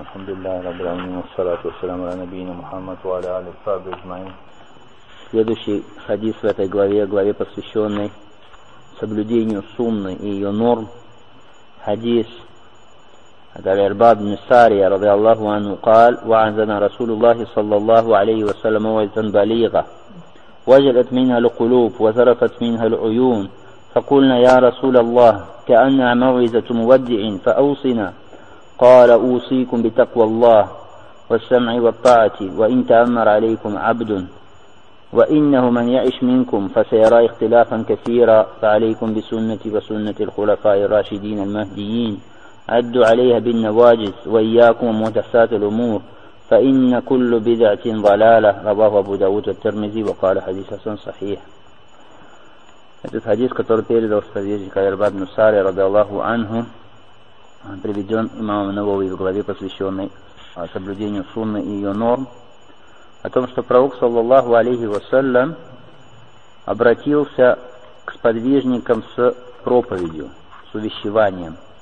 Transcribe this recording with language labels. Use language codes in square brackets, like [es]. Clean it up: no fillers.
[ar] الحمد لله رب العالمين، والصلاة والسلام على نبينا محمد وعلى آله وصحبه أجمعين. [ru] Следующий хадис в этой главе, главе посвященной соблюдению сунны и ее норм. Хадис от Аль-Арбаб ибн Сария [ar] رضي الله عنه قال: وعزنا رسول الله صلى الله عليه وسلم موعظة بليغة وجلت منها القلوب وزرفت منها العيون، فقلنا يا رسول الله كأنها موعظة مودع، فأوصنا. قال: أوصيكم بتقوى الله والسمع والطاعة، وإن تأمر عليكم عبد، وإنه من يعش منكم فسيرى اختلافا كثيرا، فعليكم بسنتي وسنة الخلفاء الراشدين المهديين، عدوا عليها بالنواجذ، وإياكم ومحدثات الأمور، فإن كل بدعة ضلالة. رواه أبو داود والترمذي وقال حديث حسن صحيح. [ru] Этот хадис, который передал сподвижник Аль-Арбаб ибн Сария [ar] رضي الله عنه, [ru] приведен имамом Навови в главе, посвященной соблюдению сунны и ее норм, о том, что пророк, саллаллаху алейхи вассалям, обратился к сподвижникам с проповедью, с увещеванием.